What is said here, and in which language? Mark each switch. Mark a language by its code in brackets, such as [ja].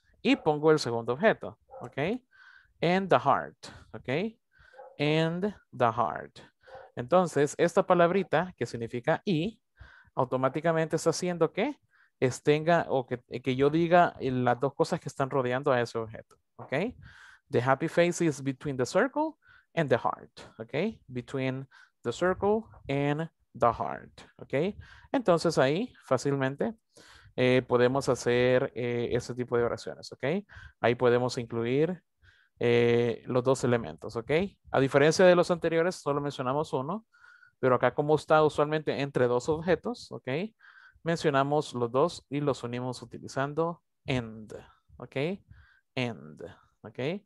[es] Y pongo el segundo objeto. Ok. [en] And the heart. [es] Ok. [en] And the heart. [es] Entonces, esta palabrita, que significa y, automáticamente está haciendo que estenga, o que yo diga las dos cosas que están rodeando a ese objeto. Ok. [en] The happy face is between the circle and the heart. Ok. Between the circle and the heart. Ok. [es] Entonces ahí fácilmente podemos hacer ese tipo de oraciones. Ok. Ahí podemos incluir los dos elementos. Ok. A diferencia de los anteriores, solo mencionamos uno. Pero acá, como está usualmente entre dos objetos. Ok. Mencionamos los dos y los unimos utilizando and. Ok. And. Ok.